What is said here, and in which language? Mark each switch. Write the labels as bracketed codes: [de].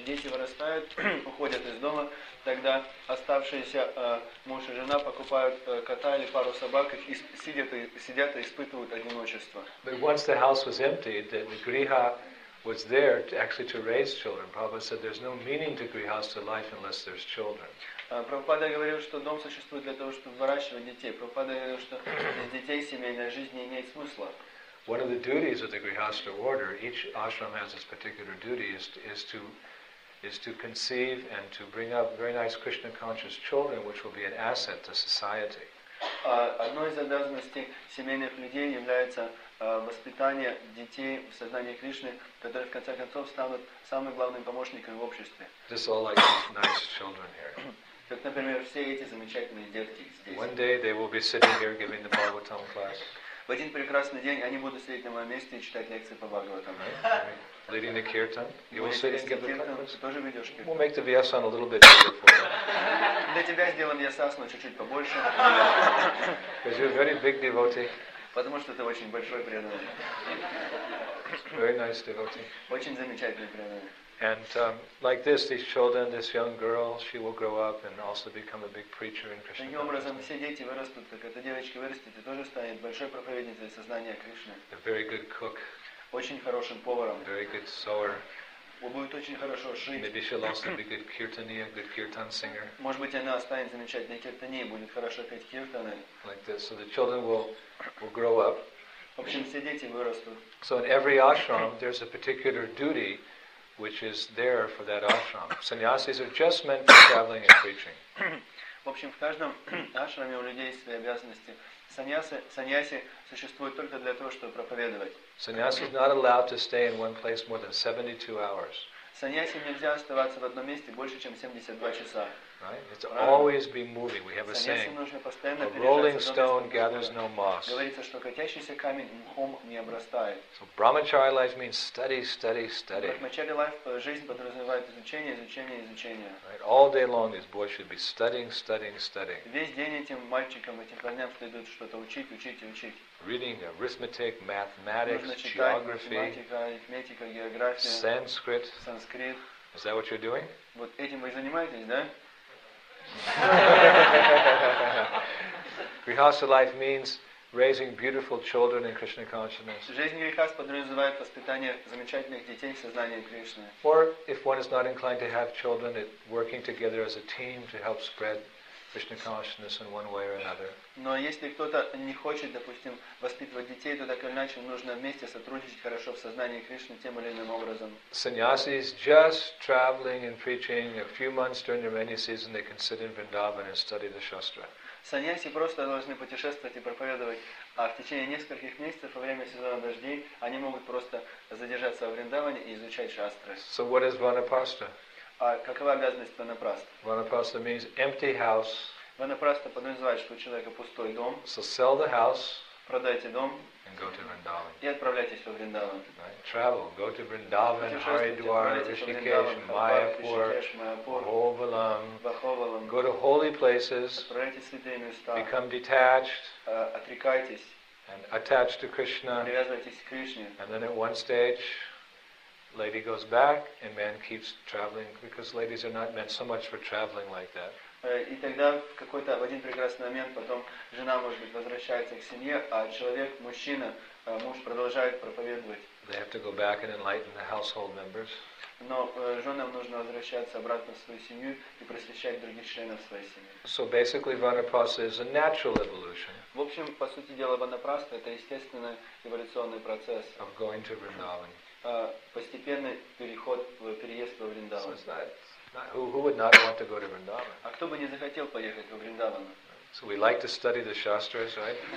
[ru] Дети вырастают, уходят из дома, тогда оставшиеся муж и жена покупают кота или пару собак и сидят и испытывают одиночество. [en] But once the house was emptied, the griha was there to actually to raise children. Prabhupada said there's no meaning to grihastha life unless there's children. [ru] Прабхупада говорил, что дом существует для того, чтобы выращивать детей. Прабхупада говорил, что без детей семейная жизнь не имеет смысла. [en] One of the duties of the Grihastha order, each ashram has its particular duty, is to conceive and to bring up very nice Krishna conscious children, which will be an asset to society. [ru] Одной из обязанностей семейных людей является воспитание детей в сознании Кришны, которые в конце концов станут самым главным помощником в обществе. [en] Just all like nice children here. [ru] Как, например, все эти замечательные детки здесь. [en] One day they will be sitting here giving the Bhagavatam class. [ru] В один прекрасный день они будут сидеть на моем месте и читать лекции по Бхагаватам. [en] Leading the kirtan, you will sit and give the class. We'll make the vyasana a little bit bigger for you. [ru] Для тебя сделаем вьясану чуть-чуть побольше. [en] Because you're a very big devotee. [ru] Потому что ты очень большой преданный. [en] Very nice devotee. [ru] Очень замечательный преданный. [en] And like this, these children, this young girl, she will grow up and also become a big preacher in Krishna. [ru] Таким образом, все дети вырастут, как эта девочка вырастет, и тоже станет большой проповедницей сознания Кришны. [en] A very good cook. [ru] Очень хорошим поваром. [en] A very good sewer. [ru] Он будет очень хорошо шить. [en] Maybe she'll also be good kirtaniya, good kirtan singer. [ru] Может быть, она станет замечательной киртанией, будет хорошо петь киртаны. [en] Like this, so the children will grow up. [ru] В общем, все дети вырастут. [en] So in every ashram, there's a particular duty which is there for that ashram. Sannyasis are just meant for traveling and preaching. [ru] В общем, в каждом ашраме у людей есть свои обязанности. Саньяси существуют только для того, чтобы проповедовать. [en] Sannyasis not allowed to stay in one place more than 72 hours. [ru] Саньяси нельзя оставаться в одном месте больше, чем 72 часа. [en] Right? It's always be moving. We have a saying. A rolling stone gathers no moss. [ru] Говорится, что катящийся камень мхом не обрастает. [en] So brahmachari life means study, study, study. Brahmachari life, [ru] жизнь подразумевает изучение, изучение, изучение. [en] Right? All day long this boy should be studying, studying, studying. [ru] Весь день этим мальчикам, этим парням следует что-то учить, учить и учить. [en] Reading arithmetic, mathematics, [ru] читать, [en] geography, [ru] математика, арифметика, география, [en] Sanskrit. [ru] Санскрит. [en] Is that what you're doing? [ru] Вот этим вы занимаетесь, да? [en] Grihastha life means raising beautiful children in Krishna consciousness. [ru] Жизнь грихаст подразумевает воспитание замечательных детей в сознании Кришны. [en] Or if one is not inclined to have children, it working together as a team to help spread Krishna consciousness in one way or another. [ru] Но если кто-то не хочет, допустим, воспитывать детей, то так или иначе нужно вместе сотрудничать хорошо в сознании Кришны тем или иным образом. [en] Sannyasis just traveling and preaching a few months during the rainy season, they can sit in Vrindavan and study the Shastra. [ru] Саньяси просто должны путешествовать и проповедовать, а в течение нескольких месяцев во время сезона дождей они могут просто задержаться в Вриндаване и изучать Шастры. [en] So what is Vanaprastha? [ru] А какова обязанность Ванапраста? [en] Ванапраста means empty house. [ru] Ванапраста подразумевает, что у человека пустой дом. [en] So sell the house. [ru] Продайте дом. [en] And go to Vrindavan. [ru] И отправляйтесь во Вриндаван. [en] Right. Travel. Go to Vrindavan, Haridwar, Rishikesh, Mayapur, Vrindavan, go to holy places. [ru] Отправляйтесь в святые места. [en] Become detached. [ru] Отрекайтесь. [en] And attached to Krishna. [ru] Привязывайтесь к Кришне. [en] And then at one stage, lady goes back and man keeps traveling because ladies are not meant so much for traveling like that. [ru] И тогда в какой-то в один прекрасный момент потом жена может быть возвращается к семье, а человек, мужчина, муж продолжает проповедовать. [en] They have to go back and enlighten the household members. [ru] Но женам нужно возвращаться обратно в свою семью и просвещать других членов своей семьи. [en] So basically Vanaprastha is a natural evolution. [ru] В общем, по сути дела, Ванапрастха это естественный эволюционный процесс. [en] Of going to Vrindavan. [ru] Постепенный переход, переезд во Вриндаван. [en] Who would not want to go to Vrindavan? [ru] А кто бы не захотел поехать во Вриндаван? [en] So we like to study the Shastras, right?